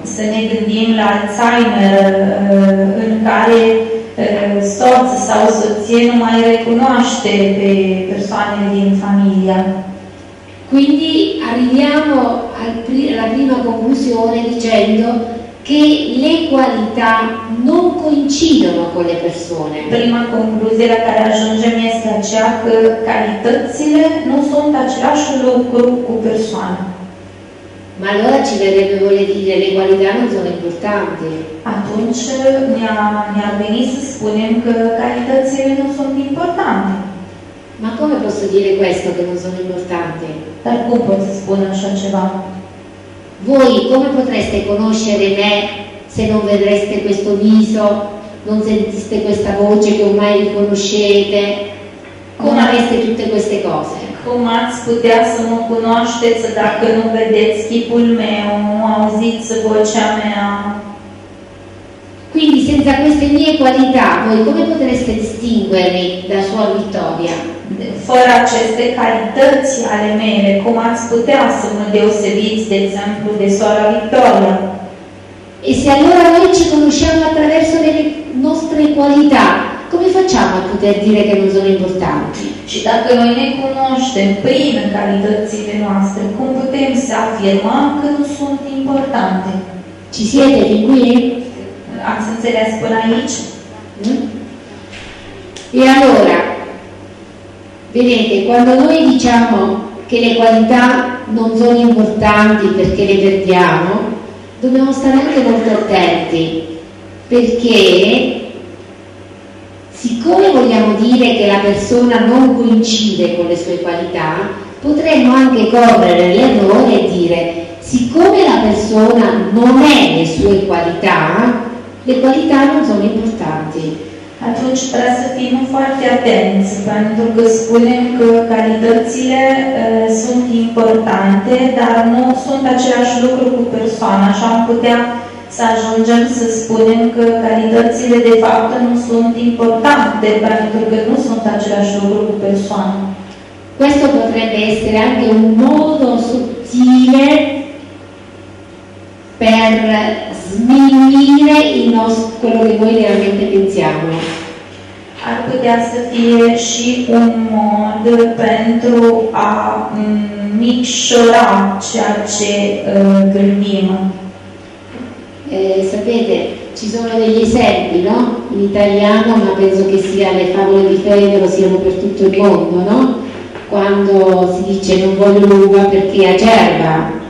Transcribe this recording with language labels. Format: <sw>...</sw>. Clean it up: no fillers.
<ro>Să ne gândim la Alzheimer, în care soț sau soție nu mai recunoaște pe persoanele din familia.</ro> <it>Quindi arriviamo alla prima conclusione dicendo che le qualità non coincidono con le persone. Prima conclusione alla quale arriviamo è quella che le qualità non sono lo stesso lucro con le persone. Ma allora ci verrebbe voler dire le qualità non sono importanti.</it> <ro>Atunci</ro> <it>mi ha venuto</it> <ro>să spunem că calitățile nu sunt importante.</ro> <it>Ma come posso dire questo che non sono importanti?</it> <ro>Dar cum pot să spun așa ceva?</ro> <it>Voi come potreste conoscere me se non vedreste questo viso, non sentiste questa voce che ormai riconoscete? Come aveste tutte queste cose?</it> <ro>Cum ați putea să mă cunoașteți dacă nu vedeți chipul meu, nu auziți vocea mea?</ro> <it>Quindi senza queste mie qualità, voi come potreste distinguermi da sua vittoria?</it> <ro>Fără aceste calități ale mele, cum ați putea să mă deosebiți, de exemplu, de sora Victoria?</ro> <it>E se allora noi ci conosciamo attraverso le nostre qualità, come facciamo a poter dire che non sono importanti?</it> <ro>Și dacă noi ne cunoaștem prin calitățile noastre, cum putem să afirmăm că nu sunt importante?</ro> <it>Ci siete fin qui?</it> <ro>Ați înțeles până aici?</ro> <it>E allora, vedete, quando noi diciamo che le qualità non sono importanti perché le perdiamo, dobbiamo stare anche molto attenti, perché siccome vogliamo dire che la persona non coincide con le sue qualità, potremmo anche correre l'errore e dire siccome la persona non è le sue qualità, le qualità non sono importanti.</it> <ro>Atunci trebuie să fim foarte atenți, pentru că spunem că calitățile sunt importante, dar nu sunt același lucru cu persoana. Așa am putea să ajungem să spunem că calitățile de fapt nu sunt importante, pentru că nu sunt același lucru cu persoana.</ro> <it>Questo potrebbe essere anche un modo sottile per sminuire quello che noi realmente pensiamo.</it> <ro>Ar putea să fie și un mod pentru a micșora ceea ce gândim.</ro> <it>Sapete, ci sono degli esempi, no? In italiano, ma penso che sia le favole di fede, lo siano per tutto il mondo, no? Quando si dice non voglio l'uva perché è acerba.</it>